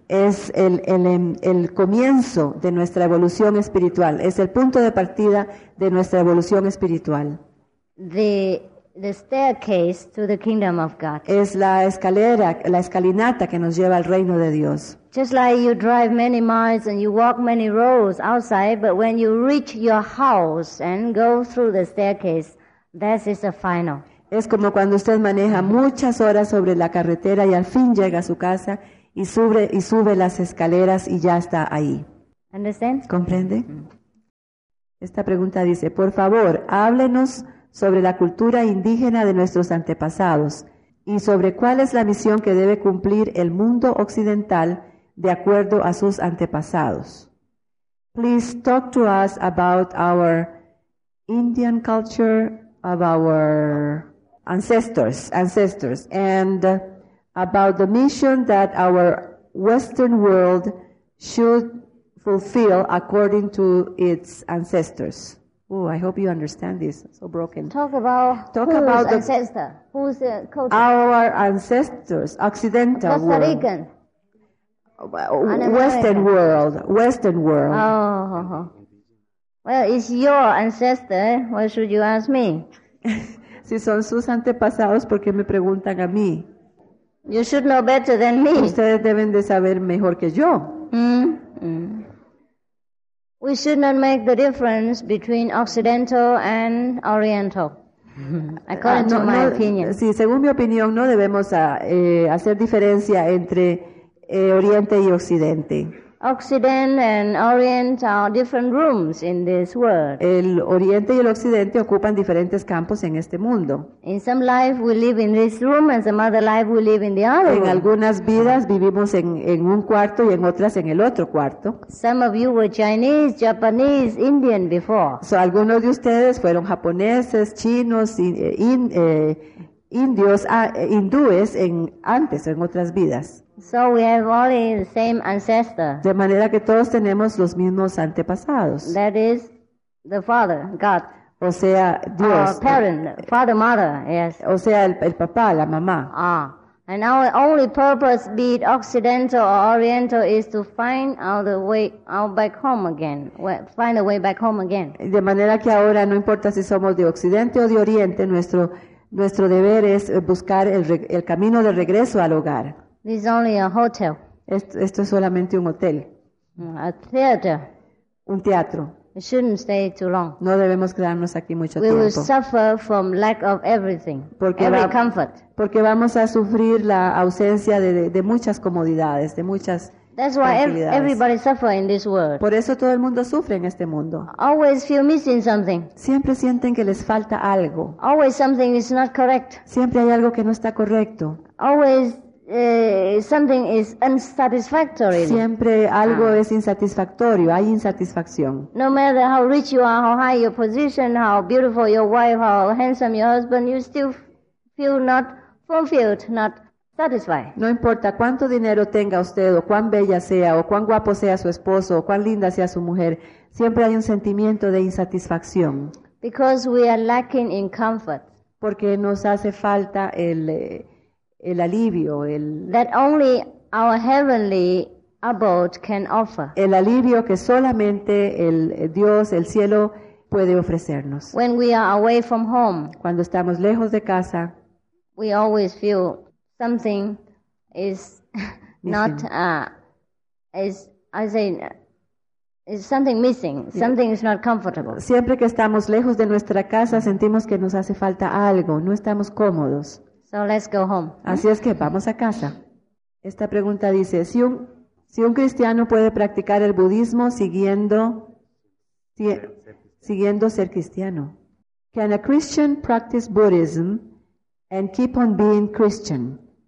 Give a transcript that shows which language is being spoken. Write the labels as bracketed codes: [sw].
[es] Es el comienzo de nuestra evolución espiritual. Es el punto de partida de nuestra evolución espiritual. [en] The staircase to the kingdom of God. [es] Es la escalera, la escalinata que nos lleva al reino de Dios. [en] Just like you drive many miles and you walk many roads outside, but when you reach your house and go through the staircase, that is the final. [es] Es como cuando usted maneja muchas horas sobre la carretera y al fin llega a su casa y sube las escaleras y ya está ahí. [en] Understand? [es] ¿Comprende? Esta pregunta dice, por favor, háblenos sobre la cultura indígena de nuestros antepasados y sobre cuál es la misión que debe cumplir el mundo occidental de acuerdo a sus antepasados. [en] Please talk to us about our Indian culture, of our ancestors, and about the mission that our Western world should fulfill according to its ancestors. Oh, I hope you understand this. So broken. Talk about the ancestor. Who's the culture? Our ancestors, Occidental [es] Costa [en] world. Costa Rican. Western world. Oh. Well, it's your ancestor. Why should you ask me? [es] Si son sus antepasados, ¿por qué me preguntan a mí? [en] You should know better than me. [es] Ustedes deben de saber mejor que yo. [en] We should not make the difference between Occidental and Oriental, according to my opinion. [es] Sí, según mi opinión, no debemos hacer diferencia entre Oriente y Occidente. [en] Occident and Orient are different rooms in this world. [es] El Oriente y el Occidente ocupan diferentes campos en este mundo. [en] In some life we live in this room and some other life we live in the other [es] room. En algunas vidas vivimos en un cuarto y en otras en el otro cuarto. [en] Some of you were Chinese, Japanese, Indian before. [es] So algunos de ustedes fueron japoneses, chinos, indios, hindúes en otras vidas. [en] So we have all the same ancestor. [es] De manera que todos tenemos los mismos antepasados. [en] That is the father, God. [es] O sea, Dios. [en] Our parent, father, mother, yes. [es] O sea, el papá, la mamá. Ah. [en] And our only purpose, be it Occidental or Oriental, is to find find a way back home again. [es] De manera que ahora no importa si somos de Occidente o de Oriente, nuestro deber es buscar el camino de regreso al hogar. [en] This is only a hotel. [es] Esto es solamente un hotel. [en] A theater. [es] Un teatro. [en] We shouldn't stay too long. [es] No debemos quedarnos aquí mucho tiempo. [en] We will suffer from lack of everything, every comfort. [es] Porque vamos a sufrir la ausencia de muchas comodidades, de muchas [en] tranquilidades. That's why everybody suffers in this world. [es] Por eso todo el mundo sufre en este mundo. [en] Always feel missing something. [es] Siempre sienten que les falta algo. [en] Always something is not correct. [es] Siempre hay algo que no está correcto. [en] Always something is unsatisfactory. [es] Siempre algo es insatisfactorio, hay insatisfacción. [en] No matter how rich you are, how high your position, how beautiful your wife, how handsome your husband, you still feel not fulfilled, not satisfied. [es] No importa cuánto dinero tenga usted, o cuán bella sea, o cuán guapo sea su esposo, o cuán linda sea su mujer, siempre hay un sentimiento de insatisfacción. [en] Because we are lacking in comfort. [es] Porque nos hace falta el alivio, [en] that only our heavenly abode can offer. [es] El alivio que solamente el Dios, el cielo, puede ofrecernos. [en] When we are away from home, [es] cuando estamos lejos de casa, [en] we always feel something is not is something missing. Yeah. Something is not comfortable. [es] Siempre que estamos lejos de nuestra casa, sentimos que nos hace falta algo. No estamos cómodos. [en] So let's go home. [es] Así es que vamos a casa. Esta pregunta dice: si un cristiano puede practicar el budismo siguiendo ser cristiano. [en] Can a Christian practice Buddhism and keep on being Christian?